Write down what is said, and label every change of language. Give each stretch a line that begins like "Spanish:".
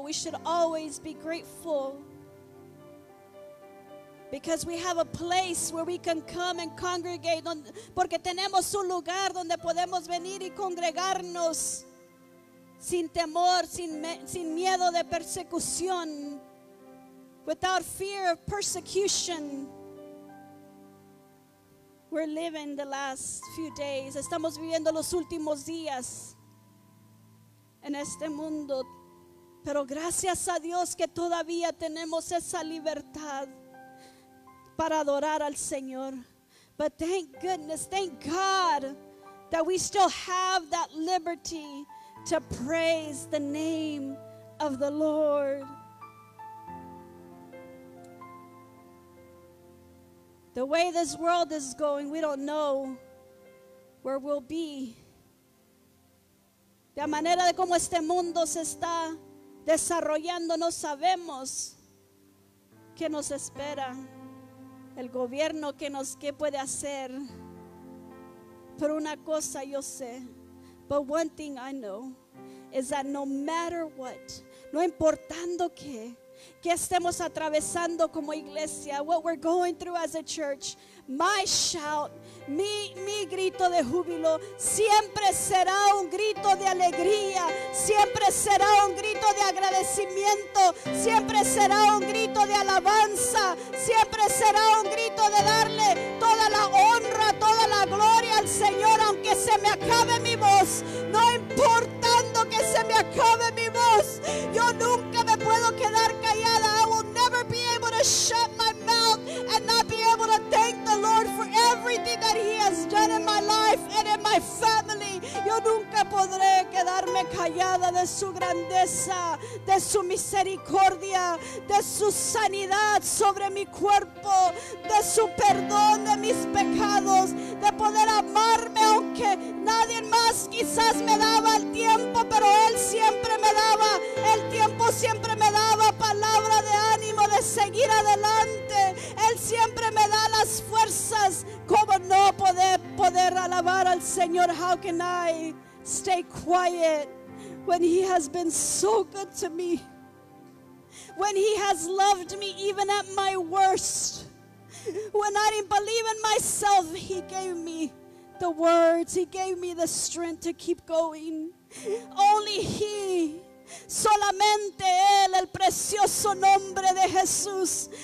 English: We should always be grateful because we have a place where we can come and congregate.
Spanish: Porque tenemos un lugar donde podemos venir y congregarnos sin temor, sin miedo de persecución,
English: without fear of persecution. We're living the last few days.
Spanish: Estamos viviendo los últimos días en este mundo. Pero gracias a Dios que todavía tenemos esa libertad para adorar al Señor.
English: But thank goodness, thank God that we still have that liberty to praise the name of the Lord. The way this world is going, we don't know where we'll be.
Spanish: La manera de cómo este mundo se está desarrollando, no sabemos qué nos espera. El gobierno qué puede hacer. Pero una cosa yo sé.
English: But one thing I know is that no matter what,
Spanish: no importando qué estemos atravesando como iglesia,
English: what we're going through as a church, my shout, mi
Spanish: grito de júbilo, siempre será un grito de alegría, siempre será un grito de agradecimiento, siempre será un grito de alabanza, siempre será un grito de darle toda la honra, toda la gloria al Señor, aunque se me acabe mi voz, no importando que se me acabe mi voz, yo nunca me puedo quedar callada.
English: I will never be able to shut my mouth and not be able to thank the Lord for everything that He has done in my life and in my family.
Spanish: Yo nunca podré quedarme callada de su grandeza, de su misericordia, de su sanidad sobre mi cuerpo, de su perdón de mis pecados, de poder amarme aunque nadie más quizás me daba el tiempo, pero Él siempre me daba el tiempo, siempre me daba palabra de ánimo de seguir adelante. Él siempre me da las fuerzas. ¿Cómo no poder alabar al Señor?
English: How can I stay quiet when He has been so good to me? When He has loved me even at my worst. When I didn't believe in myself, He gave me the words. He gave me the strength to keep going. Only He,
Spanish: solamente Él, el precioso nombre de Jesús.